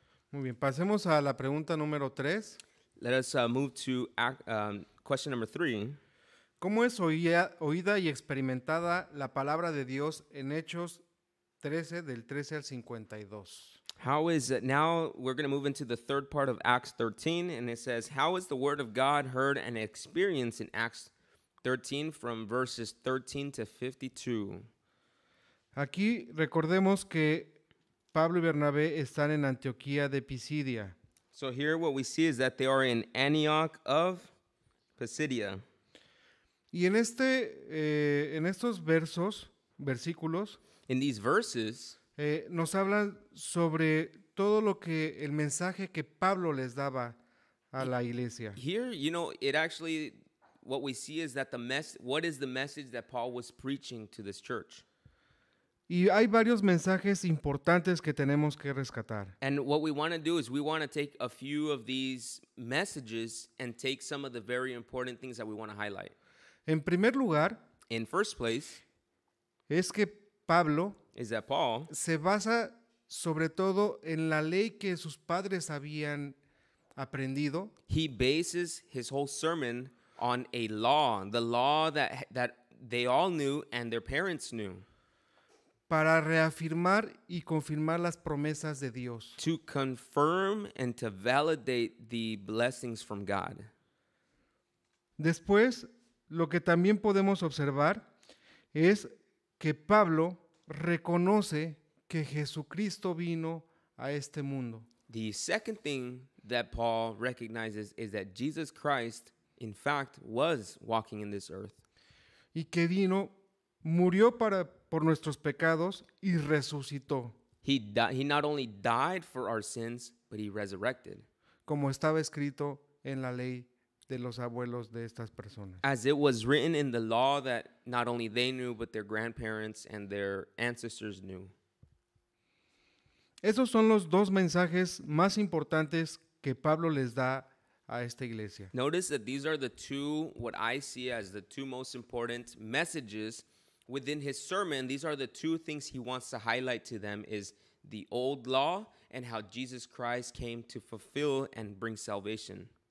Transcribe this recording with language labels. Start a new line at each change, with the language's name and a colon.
Spanish: Muy bien. Pasemos a la pregunta número 3.
English: Let us move to question number 3.
Spanish: ¿Cómo es oída y experimentada la palabra de Dios en Hechos 13, del 13 al 52?
English: How is it? Now we're going to move into the third part of Acts 13, and it says, how is the word of God heard and experienced in Acts 13 from verses 13 to 52?
Spanish: Aquí recordemos que Pablo y Bernabé están en Antioquía de Pisidia.
English: So here what we see is that they are in Antioch of Pisidia.
Spanish: Y en este, en estos versos, versículos,
English: in these verses,
Spanish: nos hablan sobre todo lo que el mensaje que Pablo les daba a la iglesia.
English: Here, you know, it actually, what we see is that what is the message that Paul was preaching to this church?
Spanish: Y hay varios mensajes importantes que tenemos que rescatar.
English: And what we want to do is we want to take a few of these messages and take some of the very important things that we want to highlight.
Spanish: En primer lugar,
English: in first place,
Spanish: es que Pablo
English: is that Paul,
Spanish: se basa sobre todo en la ley que sus padres habían aprendido.
English: He bases his whole sermon on a law, the law that they all knew and their parents knew.
Spanish: Para reafirmar y confirmar las promesas de Dios.
English: To confirm and to validate the blessings from God.
Spanish: Después, lo que también podemos observar es que Pablo reconoce que Jesucristo vino a este mundo.
English: The second thing that Paul recognizes is that Jesus Christ, in fact, was walking in this earth.
Spanish: Y que vino, murió por nuestros pecados y resucitó.
English: He not only died for our sins, but he resurrected.
Spanish: Como estaba escrito en la ley de los abuelos de estas personas.
English: As it was written in the law that not only they knew, but their grandparents and their ancestors knew.
Spanish: Esos son los dos mensajes más importantes que Pablo les da a esta iglesia.
English: Notice that these are the two, what I see as the two most important messages within his sermon. These are the two things he wants to highlight to them, is the old law and how Jesus Christ came to fulfill and bring salvation.